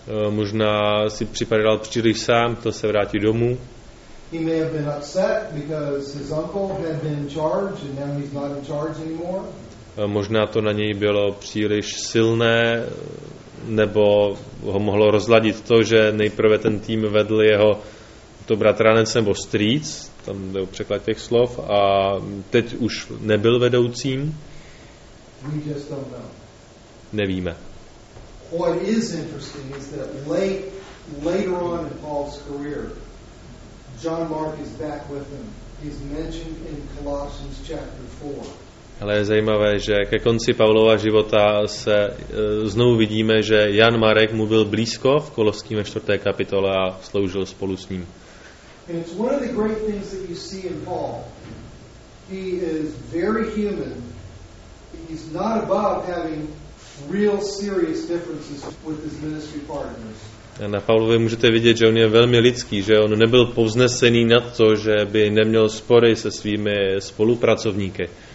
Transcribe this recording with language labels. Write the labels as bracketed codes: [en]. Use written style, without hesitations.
[cs] Možná si připadal příliš sám, chtěl se vrátit domů. [en] He may have been upset because his uncle had been in charge and now he's not in charge anymore. [cs] Možná to na něj bylo příliš silné, nebo ho mohlo rozladit to, že nejprve ten tým vedl jeho to bratranec nebo strýc, tam jde o překlad těch slov, a teď už nebyl vedoucím. [en] We just don't know. [cs] Nevíme. [en] What is interesting is that later on in Paul's career, John Mark is back with him. He's mentioned in Colossians chapter 4. [cs] Ale je zajímavé, že ke konci Pavlova života se znovu vidíme, že Jan Marek mu byl blízko v Koloským 4. kapitole a sloužil spolu s ním. [en] And it's one of the great things that you see in Paul. He is very human. He's not above having real serious differences with his ministry partners. [cs] Na Pavlovi můžete vidět, že on je velmi lidský, že on nebyl povznesený na to, že by neměl spory se svými spolupracovníky.